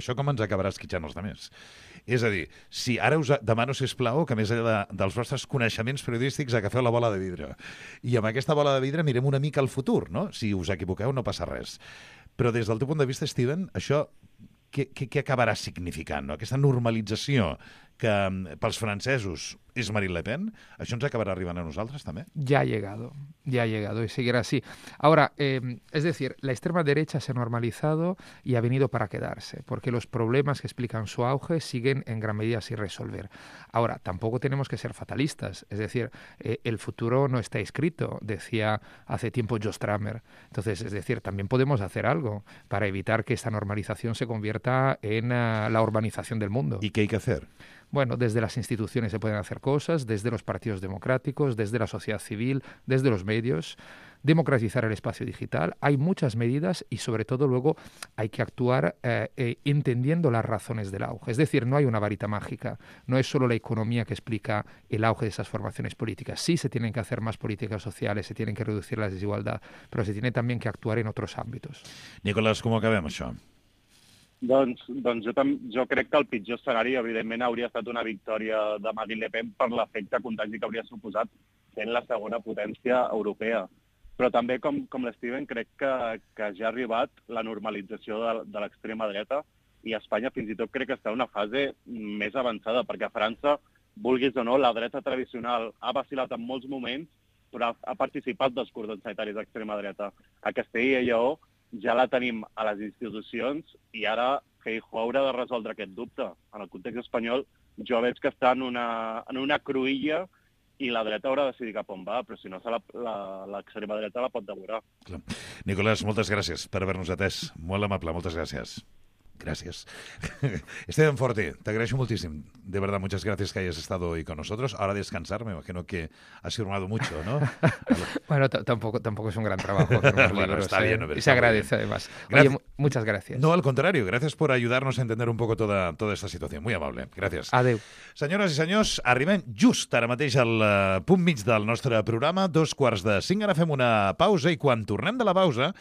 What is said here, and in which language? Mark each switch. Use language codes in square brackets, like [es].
[ca] Això com ens acabarà esquitxant els altres? És a dir, si ara us demano, sisplau, que més enllà dels vostres coneixements periodístics agafeu la bola de vidre. I amb aquesta bola de vidre mirem una mica al futur, no? Si us equivoqueu, no passa res. Però des del teu punt de vista, Steven, això què acabarà significant, no? Aquesta normalització que pels francesos és Marine Le Pen, això ens acabarà arribant a nosaltres també? [es] Ya ha llegado y seguirá así. Ahora, es decir, la extrema derecha se ha normalizado y ha venido para quedarse, porque los problemas que explican su auge siguen en gran medida sin resolver. Ahora, tampoco tenemos que ser fatalistas, es decir, el futuro no está escrito, decía hace tiempo Joe Strummer. Entonces, es decir, también podemos hacer algo para evitar que esta normalización se convierta en la urbanización del mundo. ¿Y qué hay que hacer? Bueno, desde las instituciones se pueden hacer cosas, desde los partidos democráticos, desde la sociedad civil, desde los medios, democratizar el espacio digital. Hay muchas medidas y, sobre todo, luego hay que actuar entendiendo las razones del auge. Es decir, no hay una varita mágica. No es solo la economía que explica el auge de esas formaciones políticas. Sí se tienen que hacer más políticas sociales, se tienen que reducir la desigualdad, pero se tiene también que actuar en otros ámbitos. Nicolás, ¿cómo acabamos, això? [ca] Doncs jo crec que el pitjor escenari, evidentment, hauria estat una victòria de Marine Le Pen per l'efecte contagi que hauria suposat sent la segona potència europea. Però també, com l'Steven, crec que ja ha arribat la normalització de l'extrema dreta i Espanya fins i tot crec que està en una fase més avançada, perquè a França, vulguis o no, la dreta tradicional ha vacil·lat en molts moments, però ha participat dels cordons sanitaris d'extrema dreta. A Castella i Lleó ja la tenim a les institucions i ara Feijóo haurà de resoldre aquest dubte. En el context espanyol jo veig que està en una cruïlla i la dreta haurà de decidir cap on va, però si no l'extrema dreta la pot devorar. Clar. Nicolás, moltes gràcies per haver-nos atès. Molt amable, moltes gràcies. Gràcies. Esteban Forte, t'agraeixo moltíssim. [es] De verdad, muchas gracias que hayas estado hoy con nosotros. Ahora a descansar, me imagino que has firmado mucho, ¿no? Bueno, tampoco es un gran trabajo. Bueno, está bien. Y se agradece, además. Oye, muchas gracias. No, al contrario. Gracias por ayudarnos a entender un poco toda esta situación. Muy amable. Gracias. [ca] Adeu. Senyores i senyors, arribem just ara mateix al punt mig del nostre programa. 2:45. Ara fem una pausa i quan tornem de la pausa